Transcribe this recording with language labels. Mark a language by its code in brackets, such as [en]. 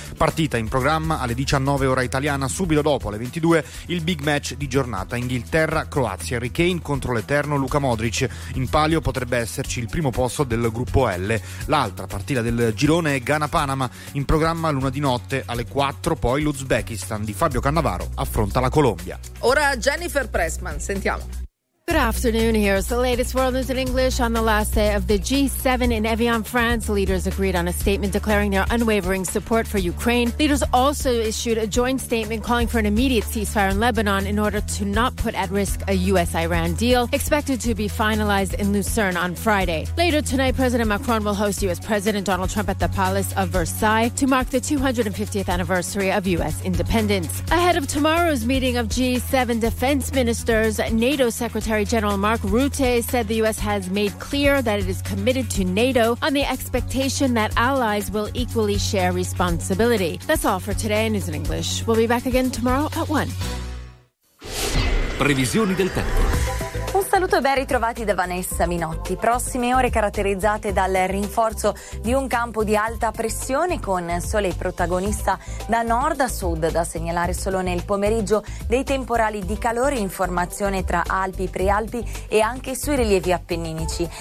[it] Partita in programma alle 19 ora italiana, subito dopo alle 22 il big match di giornata, Inghilterra-Croazia, Harry Kane contro l'eterno Luka Modric. In palio potrebbe esserci il primo posto del gruppo L. L'altra partita del girone è Ghana-Panama, in programma l'una di notte alle 4, poi l'Uzbekistan di Fabio Cannavaro affronta la Colombia. Ora Jennifer Pressman, sentiamo. [en] Good afternoon, here's the latest World News in English. On the last day of the G7 in Evian, France, leaders agreed on a statement declaring their unwavering support for Ukraine. Leaders also issued a joint statement calling for an immediate ceasefire in Lebanon in order to not put at risk a US-Iran deal, expected to be finalized in Lucerne on Friday. Later tonight, President Macron will host US President Donald Trump at the Palace of Versailles to mark the 250th anniversary of US independence. Ahead of tomorrow's meeting of G7 defense ministers, NATO Secretary General Mark Rutte said the U.S. has made clear that it is committed to NATO on the expectation that allies will equally share responsibility. That's all for today in News in English. We'll be back again tomorrow at 1. [it] Previsioni del tempo. Un saluto e ben ritrovati da Vanessa Minotti. Prossime ore caratterizzate dal rinforzo di un campo di alta pressione con sole protagonista da nord a sud, da segnalare solo nel pomeriggio dei temporali di calore in formazione tra Alpi, Prealpi e anche sui rilievi appenninici.